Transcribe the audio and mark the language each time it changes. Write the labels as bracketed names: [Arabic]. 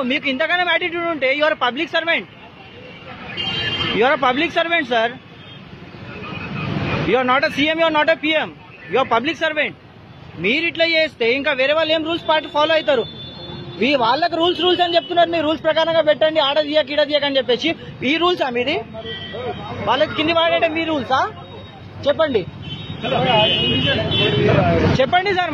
[Telugu] మీకు ఇంతకన్నా యాటిట్యూడ్ ఉంటే [English] Your public servant. You are a public servant, sir. You are not a CM, you are not a PM. You are a public servant. [Telugu] మీరు ఇట్లా చేస్తే ఇంకా వేరే వాళ్ళు ఏం రూల్స్ పాటు ఫాలో అవుతారు? ఈ వాళ్ళకి రూల్స్ రూల్స్ అని చెప్తున్నారు. మీరు రూల్స్ ప్రకారంగా పెట్టండి, ఆడ తీయక ఇడ తీయక అని చెప్పేసి ఈ రూల్సా మీది? వాళ్ళకి కింది వాడంటే మీ రూల్సా? చెప్పండి చెప్పండి సార్.